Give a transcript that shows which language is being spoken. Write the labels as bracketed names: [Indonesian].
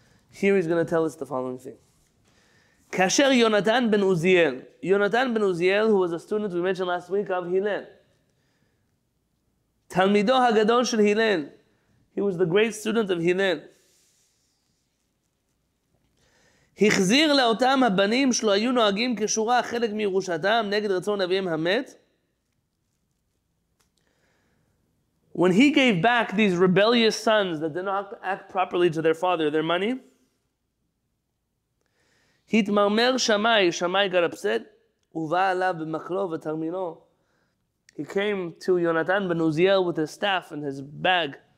[English] Here he's going to tell us the following thing. Kasher Yonatan ben Uziel. Yonatan ben Uziel, who was a student we mentioned last week of Hillel. [Hebrew] Talmido HaGadol shel Hillel. [English] He was the great student of Hillel. [Hebrew] החזיר לאותם הבנים שלו היו נוהגים כשורה חלק מירושתם נגד רצון אביהם המת. [English] When he gave back these rebellious sons that did not act properly to their father, their money, [Hebrew] התמרמר שמאי, [English] שמאי got upset, [Hebrew] ובא עליו במקלו ותרמינו. [English] He came to Yonatan ben Uziel with his staff and his bag.